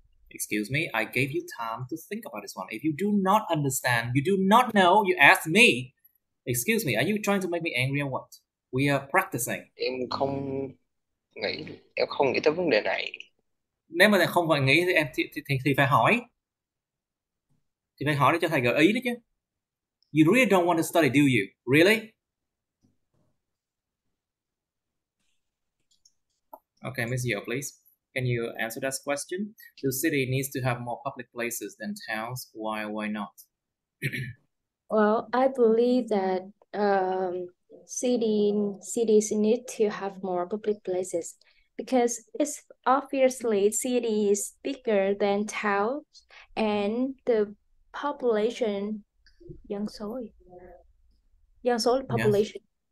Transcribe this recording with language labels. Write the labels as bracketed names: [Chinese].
[English] Excuse me, I gave you time to think about this one. If you do not understand, you do not know, you ask me. Excuse me, are you trying to make me angry or what? We are practicing. [Vietnamese] Em không nghĩ tới vấn đề này. Nếu mà không phải nghĩ thì em thì phải hỏi. Thì phải hỏi để cho thầy gợi ý đấy chứ. [English] You really don't want to study, do you? Really? Okay, Miss Yeo, please. Can you answer that question? The city needs to have more public places than towns. Why not? Well, I believe that cities need to have more public places because it's obviously city is bigger than towns and the population population.